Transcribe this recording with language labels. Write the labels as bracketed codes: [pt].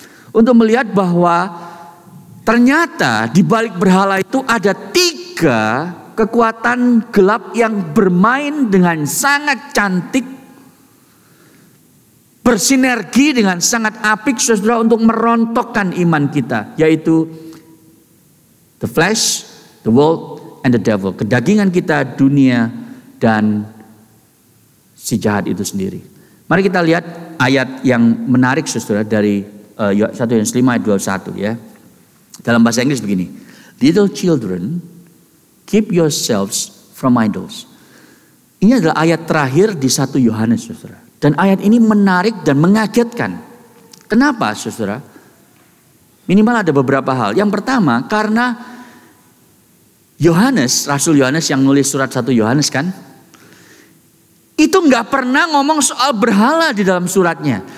[id] Untuk melihat bahwa ternyata di balik berhala itu ada tiga kekuatan gelap yang bermain dengan sangat cantik, bersinergi dengan sangat apik, saudara, untuk merontokkan iman kita, yaitu [en] the flesh, the world, and the devil. [id] Kedagingan kita, dunia, dan si jahat itu sendiri. Mari kita lihat ayat yang menarik, saudara, dari 1 Yohanes 5 ayat 21 ya. Dalam bahasa Inggris begini. [en] Little children, keep yourselves from idols. [id] Ini adalah ayat terakhir di 1 Yohanes, Saudara. Dan ayat ini menarik dan mengagetkan. Kenapa, Saudara? Minimal ada beberapa hal. Yang pertama, karena Yohanes, Rasul Yohanes yang nulis surat 1 Yohanes kan, itu gak pernah ngomong soal berhala di dalam suratnya.